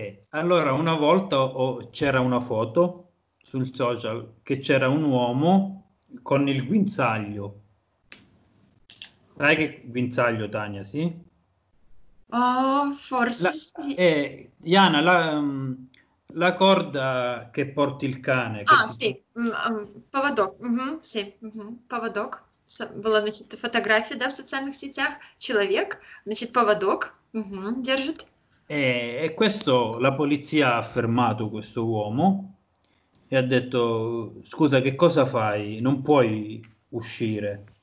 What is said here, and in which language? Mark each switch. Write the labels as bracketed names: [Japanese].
[Italian] Allora, una volta c'era una foto sul social che c'era un uomo con il guinzaglio. Sai che guinzaglio, Tania, sì? Oh, forse sì. Iana, la corda che porti il cane, che Ah, si sì, chiama? [Russian] поводок. [Italian] Sì, [Russian] поводок. Была, значит, фотография, да, в социальных сетях. Человек, значит, поводок. Держит. [Italian] E questo, la polizia ha fermato questo uomo e ha detto: scusa, che cosa fai? Non puoi uscire.